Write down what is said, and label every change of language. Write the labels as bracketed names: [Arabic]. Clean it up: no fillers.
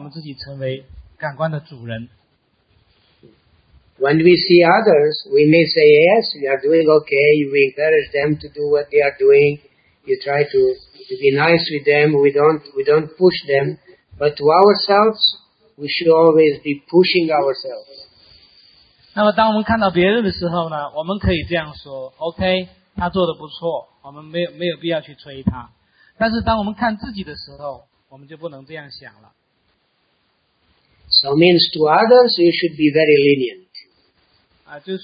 [Chinese] 只有这样呢，我们才可以控制自己的感官，让我们自己成为感官的主人。 [English] When we see others, we may say, yes, we are doing okay, we encourage them to do what they are doing, you try to be nice with them, we don't push them, but to ourselves, we should always be pushing ourselves. [Chinese] 那么当我们看到别人的时候呢，我们可以这样说， OK, 他做得不错，我们没有必要去催他。但是当我们看自己的时候，我们就不能这样想了。 [English] So means to others, you should be very lenient.